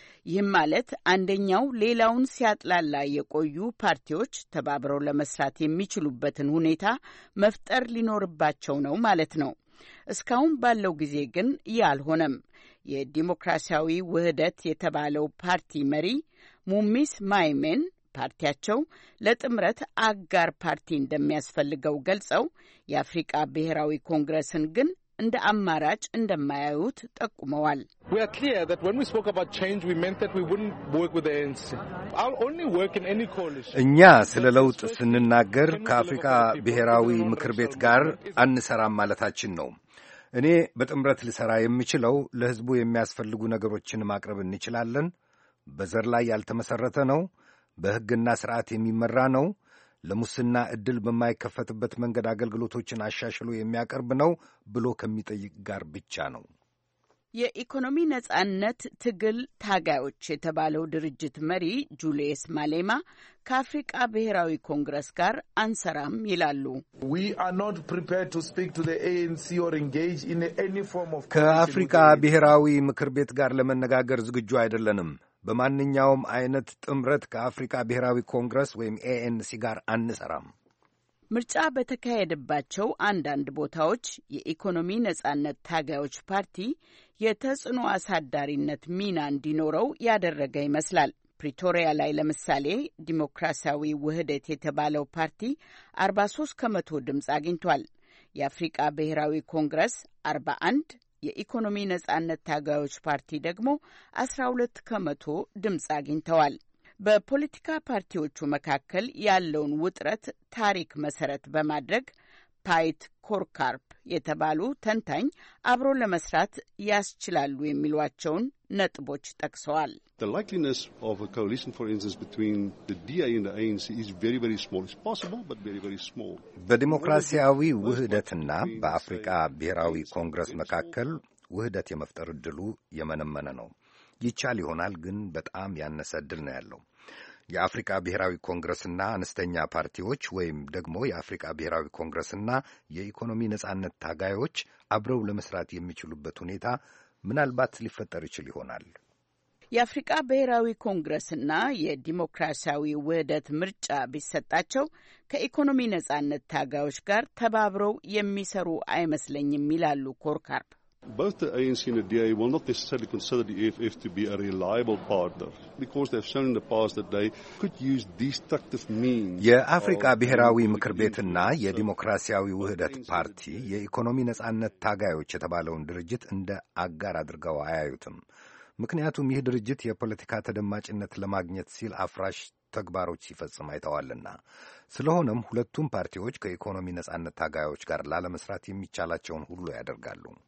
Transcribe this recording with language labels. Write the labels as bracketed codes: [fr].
[am] ይህም ማለት አንደኛው ሌላውን ሲያጥላላ የቆዩ ፓርቲዎች ተባብረው ለመስራት የሚችሉበትን ሁኔታ መፍጠር ሊኖርባቸው ነው ማለት ነው። እስካሁን ባለው ጊዜ ግን ያልሆነም። የዲሞክራሲያዊ ውህደት የተባለው ፓርቲ መሪ ሙሚስ ማይሜን ፓርቲያቸው ለጥምረት አጋር ፓርቲ እንደሚያስፈልገው ገልጸው የአፍሪካ ብሔራዊ ኮንግረስን ግን እንደ አማራጭ እንደማያዩት ጠቁመዋል። [en] We are clear that when we spoke about change we meant that we wouldn't work with the ANC. I'll only work in any coalition. [am] እኛ ስለ ለውጥ ስንናገር ከአፍሪካ ብሔራዊ ምክር ቤት ጋር አንሰራም ማለታችን ነው። እኔ በጥምረት ልሰራ የምችለው ለህዝቡ የሚያስፈልጉ ነገሮችን ማቅረብ እንችላለን። በዘር ላይ ያልተመሰረተ ነው። በህግና ስርዓት የሚመራ ነው። ለሙስና እድል በማይከፈትበት መንገድ አገልግሎቶችን አሻሽሎ የሚያቀርብ ነው ብሎ ከመጠይቅ ጋር ብቻ ነው። የኢኮኖሚ ነጻነት ትግል ታጋዮች የተባለው ድርጅት መሪ ጁሊየስ ማሌማ ከአፍሪካ ብሔራዊ ኮንግረስ ጋር አንሰራም ይላሉ። [en] We are not prepared to speak to the ANC or engage in any form of [am] ከአፍሪካ ብሔራዊ ምክር ቤት ጋር ለመነጋገር ዝግጁ አይደለንም። በማንኛውም አይነት ጥምረት ከአፍሪካ ብሔራዊ ኮንግረስ ወይም ANC ጋር አንሰራም። ምርጫ በተካሄደባቸው አንዳንድ ቦታዎች የኢኮኖሚ ነጻነት ታጋዮች ፓርቲ የተጽዕኖ አሳዳሪነት ሚና እንዲኖረው ያደረገ ይመስላል። ፕሪቶሪያ ላይ ለምሳሌ ዲሞክራሲያዊ ውህደት የተባለው ፓርቲ 43 ከመቶ ድምጽ አግኝቷል። የአፍሪካ ብሔራዊ ኮንግረስ 41 የኢኮኖሚ ነጻነት ታጋዮች ፓርቲ ደግሞ 12 ከመቶ ድምጽ አግኝተዋል። በፖለቲካ ፓርቲዎቹ መካከል ያለውን ውጥረት ታሪክ መሰረት በማድረግ ፓይት ኮርካርፕ የተባሉ ተንታኝ አብሮ ለመስራት ያስችላሉ የሚሏቸውን ነጥቦች ጠቅሰዋል። [en] The likeliness of a coalition for instance between the DA and the ANC is very very small. It's possible but very very small. [am] በዲሞክራሲያዊ ውህደትና በአፍሪካ ብሔራዊ ኮንግረስ መካከል ውህደት የመፍጠር እድሉ የመነመነ ነው። ይቻል ይሆናል ግን በጣም ያነሰ እድል ነው ያለው። የአፍሪካ ብሔራዊ ኮንግረስና አንስተኛ ፓርቲዎች ወይም ደግሞ የአፍሪካ ብሔራዊ ኮንግረስና የኢኮኖሚ ነጻነት ታጋዮች አብረው ለመስራት የሚችሉበት ሁኔታ ምናልባት ሊፈጠር ይችል ይሆናል። የአፍሪካ ብሔራዊ ኮንግረስና የዲሞክራሲያዊ ውህደት ምርጫ ቢሰጣቸው ከኢኮኖሚ ነጻነት ታጋዮች ጋር ተባብረው የሚሰሩ አይመስለኝም ይላሉ ኮርካርፕ። [en] Both the ANC and the DA will not necessarily consider the EFF to be a reliable partner because they've shown in the past that they could use destructive means. [am] የአፍሪካ ብሔራዊ ምክር ቤትና የዲሞክራሲያዊ ውህደት ፓርቲ የኢኮኖሚ ነጻነት ታጋዮች የተባለውን ድርጅት እንደ አጋር አድርገው አያዩትም። ምክንያቱም ይህ ድርጅት የፖለቲካ ተደማጭነት ለማግኘት ሲል አፍራሽ ተግባሮች ሲፈጽም አይተዋልና። ስለሆነም ሁለቱም ፓርቲዎች ከኢኮኖሚ ነጻነት ታጋዮች ጋር ላለመስራት የሚቻላቸውን ሁሉ ያደርጋሉ።